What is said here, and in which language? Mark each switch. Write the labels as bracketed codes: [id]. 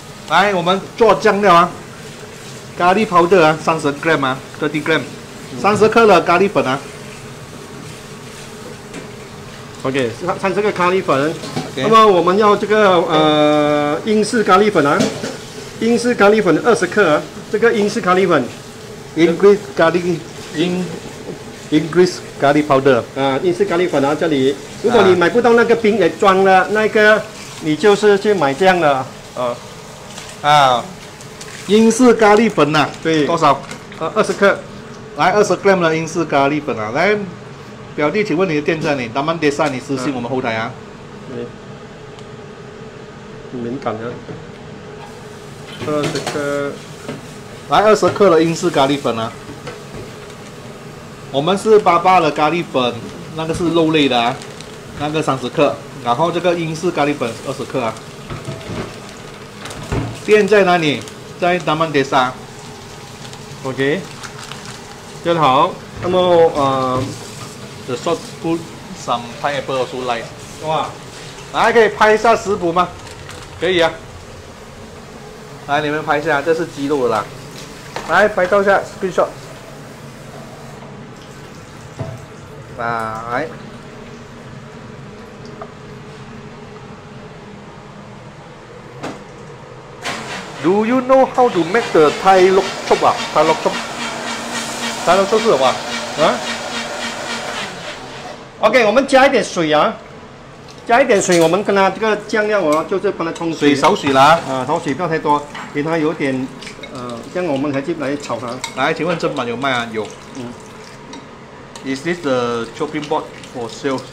[zh] 来，我们做酱料啊，咖喱 powder 啊，30g 啊 ，30 gram， 30克的咖喱粉啊。 OK， 30个咖喱粉。 Okay. 那么我们要这个英式咖喱粉啊，英式咖喱粉20克、啊，这个英式咖喱粉 [en] ，English 咖喱 English 咖喱 powder [zh] 啊，英式咖喱粉啊，这里如果你买不到那个冰也装了那个，你就是去买这样的英式咖喱粉呐、啊，对，多少？ 20克，来20g 的英式咖喱粉啊，来。表弟，请问你的店在哪里？达曼德赛，你私信我们后台啊。对，敏感的。20克，来20克的英式咖喱粉啊。我们是88的咖喱粉，那个是肉类的啊，那个30克，然后这个英式咖喱粉20克啊。店在哪里？在达曼德赛。 OK， 大家好，那么 [en] The salt put some pineapple also light. [zh] 哇，来可以拍一下食谱吗？可以啊。来你们拍一下，这是鸡肉的啦。来拍照一下 ，screenshot。来。 [en] Do you know how to make the Thai lok chop 啊 ？Thai lok chop。 [zh] Thai lok chop 是什么？ OK， 我们加一点水啊，加一点水，我们跟它这个酱料啊，就是帮它冲水。水少许啦，少许不要太多，给它有点，这样我们才去来炒它。来，请问砧板有卖啊？有。嗯。 [en] Is this the chopping board for sale?